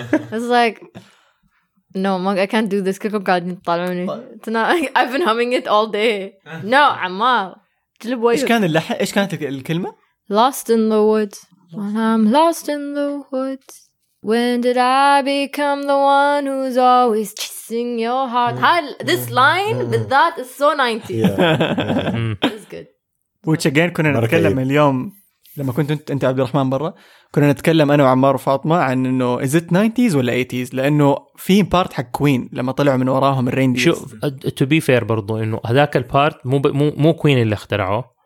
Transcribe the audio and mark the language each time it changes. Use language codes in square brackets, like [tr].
[en] it's like no, I can't do this. [ar] كلكم قاعدين تطالعوني. [en] I've been humming it all day. No, عمار. [ar] جلب ويو. إيش كان اللحن؟ إيش كانت الكلمة؟ [en] Lost in the woods. When I'm lost in the woods. When did I become the one who's always chasing your heart? This line with that is so 90. It's good. Which again, [ar] كنا نتكلم اليوم لما كنت أنت عبد الرحمن برا. كنا نتكلم أنا وعمار وفاطمة عن إنه [en] is it 90s [ar] ولا 80s، لأنه في بارت حق كوين لما طلعوا من وراهم الرينديز. شوف [en] to be fair [ar] برضو إنه هذاك البارت مو كوين اللي اخترعه.